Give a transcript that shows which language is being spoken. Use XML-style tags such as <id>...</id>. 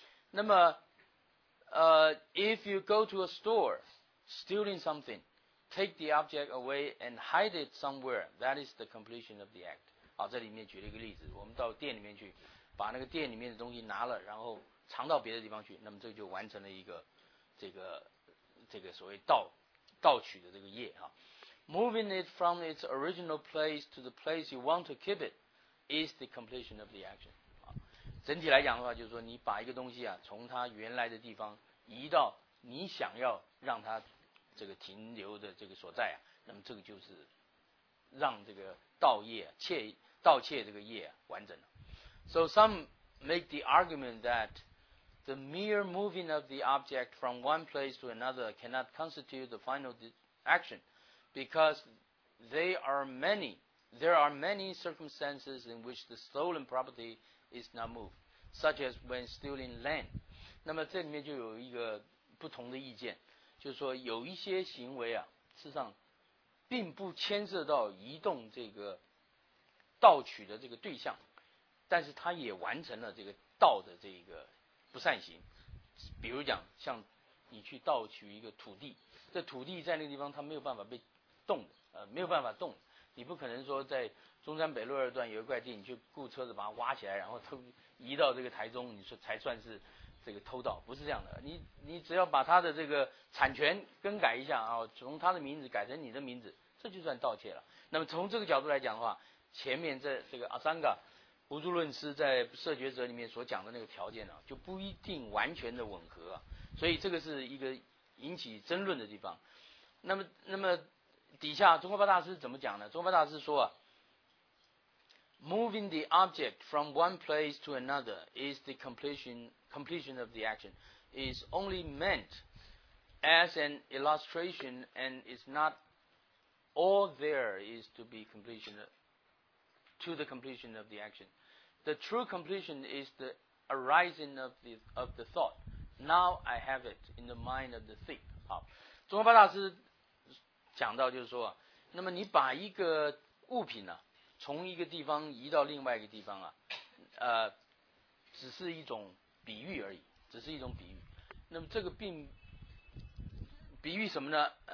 <en>那么if you go to a store stealing somethingTake the object away and hide it somewhere. That is the completion of the act.</en> <zh>好，这里面举了一个例子，我们到店里面去，把那个店里面的东西拿了，然后藏到别的地方去，那么这就完成了一个这个所谓盗取的这个业啊。</zh> <en>Moving it from its original place to the place you want to keep it is the completion of the action.</en> <zh>好，整体来讲的话，就是说你把一个东西啊，从它原来的地方移到你想要让它这个停留的这个所在啊，那么这个就是让这个盗窃这个业、啊、完整了。</zh> <en>So some make the argument that the mere moving of the object from one place to another cannot constitute the final action, because there are many circumstances in which the stolen property is not moved, such as when stealing land.</en> <zh>那么这里面就有一个不同的意见。就是说有一些行为啊，事实上并不牵涉到移动这个盗取的这个对象，但是他也完成了这个盗的这个不善行。比如讲像你去盗取一个土地，这土地在那个地方它没有办法被动的，没有办法动，你不可能说在中山北路二段有一块地，你去雇车子把它挖起来然后偷移到这个台中，你说才算是这个偷盗，不是这样的。你只要把他的这个产权更改一下啊，从他的名字改成你的名字，这就算盗窃了。那么从这个角度来讲的话，前面这个阿桑嘎无助论师在社决则里面所讲的那个条件呢、啊，就不一定完全的吻合、啊，所以这个是一个引起争论的地方。那么底下中国巴大师怎么讲呢？中国巴大师说啊。</zh> <en>Moving the object from one place to another is the completion of the action. It's only meant as an illustration, and it's not all there is to be completion to the completion of the action. The true completion is the arising of the thought. Now I have it in the mind of the thief.</en> <zh>好，中国巴大师讲到就是说，那么你把一个物品呢、啊？从一个地方移到另外一个地方啊，只是一种比喻而已，只是一种比喻。那么这个并比喻什么呢？</zh>